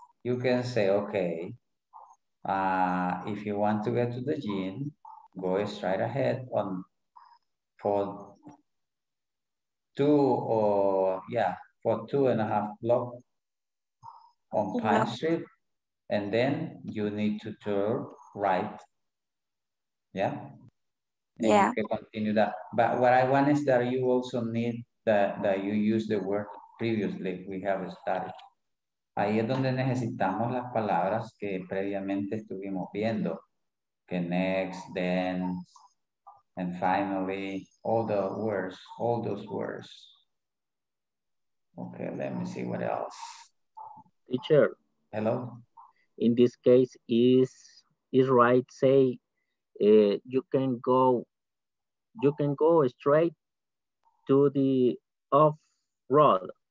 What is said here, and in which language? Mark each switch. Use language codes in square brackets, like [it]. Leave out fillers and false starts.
[en] You can say, okay, if you want to get to the gym, go straight ahead on for 2.5 block on Pine Street, and then you need to turn right. Yeah. And yeah, you can continue that. But what I want is that you also need that you use the word previously we have studied. [es] Ahí es donde necesitamos las palabras que previamente estuvimos viendo. [en] Que next, then, and finally, all those words. Okay, let me see what else. Teacher. Hello. In this case, is right, say, you can go straight to the off road